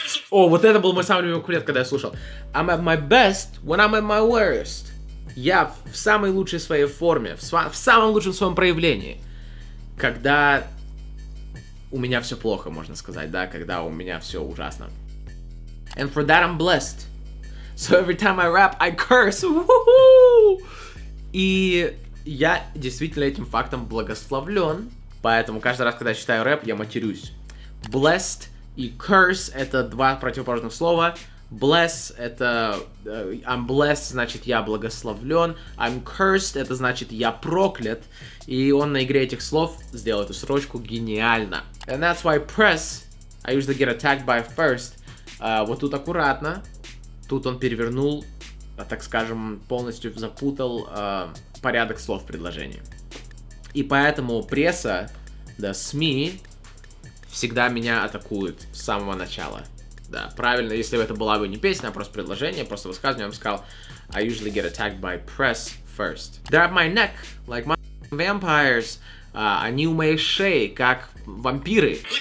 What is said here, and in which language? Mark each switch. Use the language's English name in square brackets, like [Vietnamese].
[Russian] О, вот это был мой самый любимый куплет, когда я слушал. [English] I'm at my best when I'm at my worst. [Russian] Я в самой лучшей своей форме, в самом лучшем своем проявлении, когда у меня все плохо, можно сказать, да, когда у меня все ужасно. [English] And for that I'm blessed. So every time I rap, I curse. Woo-hoo! [Russian] И я действительно этим фактом благословлен, поэтому каждый раз, когда я читаю рэп, я матерюсь. Blessed и curse — это два противоположных слова. Bless — это [English] I'm blessed, [Russian] значит, я благословлен. [English] I'm cursed [Russian] — это значит, я проклят. И он на игре этих слов сделал эту строчку гениально. [English] And that's why press, I usually get attacked by first. [Russian] Вот тут аккуратно. Тут он перевернул, так скажем, полностью запутал порядок слов в предложении. И поэтому пресса, да, СМИ, всегда меня атакуют с самого начала. Да, правильно, если бы это была бы не песня, а просто предложение, просто высказывание, я бы сказал [English] I usually get attacked by press first. They're at my neck, like my vampires. [Russian] Они у моей шеи, как вампиры.